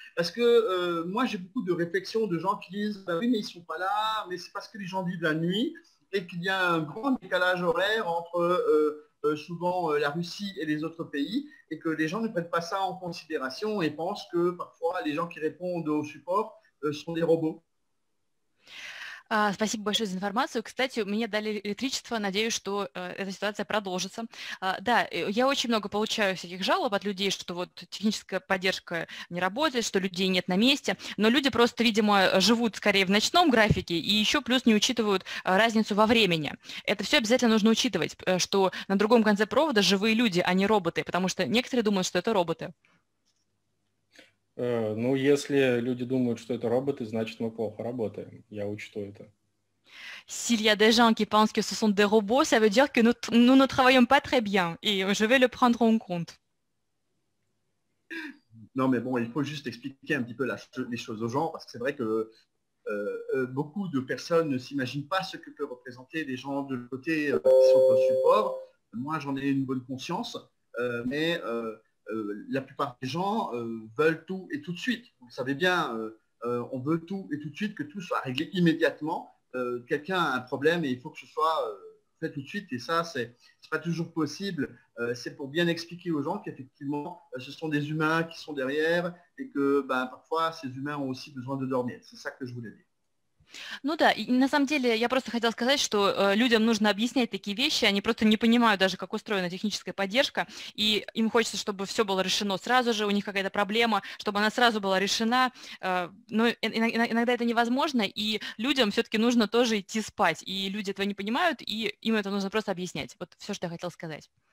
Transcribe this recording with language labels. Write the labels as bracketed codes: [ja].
[fr] Parce que moi, j'ai beaucoup de réflexions de gens qui disent « oui, mais ils ne sont pas là, mais c'est parce que les gens vivent la nuit » et qu'il y a un grand décalage horaire entre souvent la Russie et les autres pays, et que les gens ne prennent pas ça en considération et pensent que parfois les gens qui répondent au support sont des robots. [ru] Спасибо большое за информацию. Кстати, мне дали электричество, надеюсь, что эта ситуация продолжится. Да, я очень много получаю всяких жалоб от людей, что вот техническая поддержка не работает, что людей нет на месте. Но люди просто, видимо, живут скорее в ночном графике и еще плюс не учитывают разницу во времени. Это все обязательно нужно учитывать, что на другом конце провода живые люди, а не роботы, потому что некоторые думают, что это роботы. Ну, если люди думают, что это роботы, значит, мы плохо работаем. Я учту это. [fr] S'il y a des gens qui pensent que ce sont des robots, ça veut dire que nous ne travaillons pas très bien. Et je vais le prendre en compte. Non, mais bon, il faut juste expliquer un petit peu les choses aux gens, parce que c'est vrai que beaucoup de personnes ne s'imaginent pas ce que peuvent représenter les gens de côté qui sont au support. Moi, j'en ai une bonne conscience, mais... la plupart des gens veulent tout et tout de suite. Vous savez bien, on veut tout et tout de suite, que tout soit réglé immédiatement. Quelqu'un a un problème et il faut que ce soit fait tout de suite. Et ça, ce n'est pas toujours possible. C'est pour bien expliquer aux gens qu'effectivement, ce sont des humains qui sont derrière et que ben, parfois, ces humains ont aussi besoin de dormir. C'est ça que je voulais dire. [ru] Ну да, и на самом деле я просто хотела сказать, что людям нужно объяснять такие вещи, они просто не понимают даже, как устроена техническая поддержка, и им хочется, чтобы все было решено сразу же, у них какая-то проблема, чтобы она сразу была решена, но иногда это невозможно, и людям все-таки нужно тоже идти спать, и люди этого не понимают, и им это нужно просто объяснять, вот все, что я хотела сказать.